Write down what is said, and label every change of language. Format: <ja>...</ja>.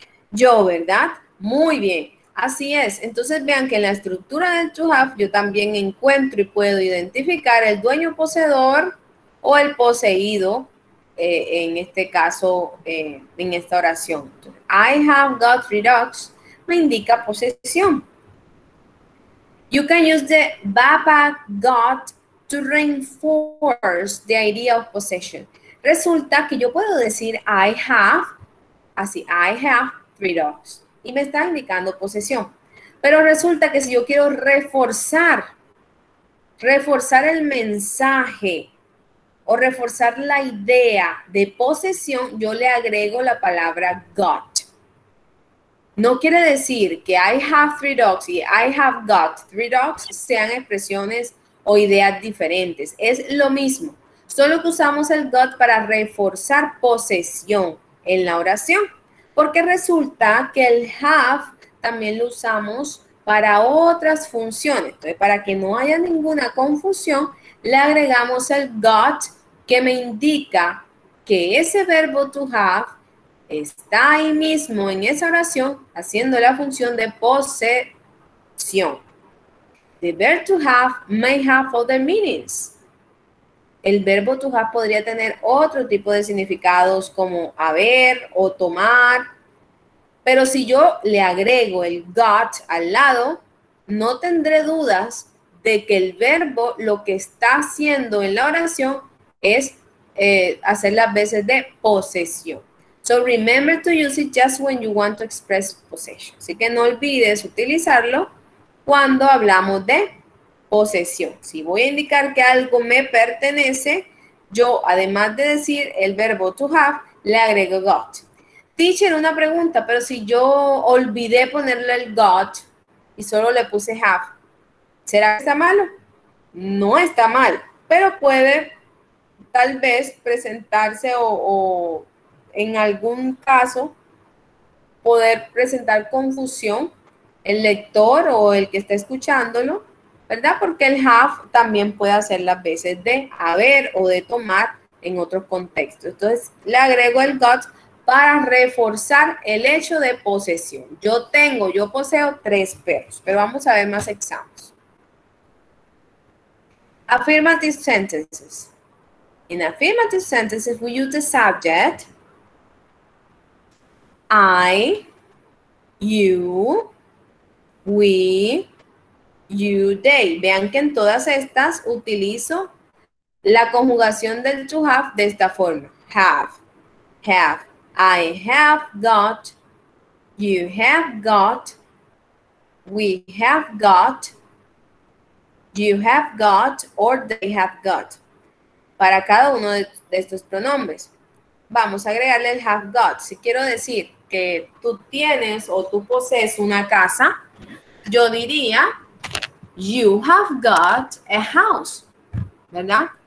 <es>Yo, ¿verdad? Muy bien. Así es. Entonces vean que en la estructura del to have yo también encuentro y puedo identificar el dueño poseedor o el poseído, en este caso, en esta oración.</es> <en>I have got three dogs</en> <es>me indica posesión.</es> <en>You can use the Baba got to reinforce the idea of possession.</en> <es>Resulta que yo puedo decir I have, así,</es> <en>I have three dogs.</en> <es>Y me está indicando posesión. Pero resulta que si yo quiero reforzar el mensaje o reforzar la idea de posesión, yo le agrego la palabra got. No quiere decir que</es> <en>I have three dogs</en> <es>y</es> <en>I have got three dogs</en> <es>sean expresiones o ideas diferentes. Es lo mismo. Solo que usamos el got para reforzar posesión en la oración. Porque resulta que el have también lo usamos para otras funciones. Entonces, para que no haya ninguna confusión, le agregamos el got que me indica que ese verbo to have está ahí mismo en esa oración haciendo la función de posesión.</es> <en>The verb to have may have other meanings.</en> <es>El verbo to have podría tener otro tipo de significados como haber o tomar. Pero si yo le agrego el got al lado, no tendré dudas de que el verbo lo que está haciendo en la oración es hacer las veces de posesión.</es> <en>So remember to use it just when you want to express possession.</en> <es>Así que no olvides utilizarlo cuando hablamos de posesión. Si voy a indicar que algo me pertenece, yo además de decir el verbo to have, le agrego got. Teacher, una pregunta, pero si yo olvidé ponerle el got y solo le puse have, ¿será que está malo? No está mal, pero puede tal vez presentarse o en algún caso poder presentar confusión el lector o el que está escuchándolo, ¿verdad? Porque el have también puede hacer las veces de haber o de tomar en otro contexto. Entonces, le agrego el got para reforzar el hecho de posesión. Yo poseo 3 perros, pero vamos a ver más ejemplos.</es> <en>Affirmative sentences. In affirmative sentences, we use the subject, I, you, we, you, they.</en> <es>Vean que en todas estas utilizo la conjugación del to have de esta forma.</es> <en>Have. I have got, you have got, we have got, you have got, or they have got.</en> <es>Para cada uno de estos pronombres, vamos a agregarle el have got. Si quiero decir que tú tienes o tú posees una casa, yo diría,</es> <en>you have got a house,</en> <es>¿verdad?</es>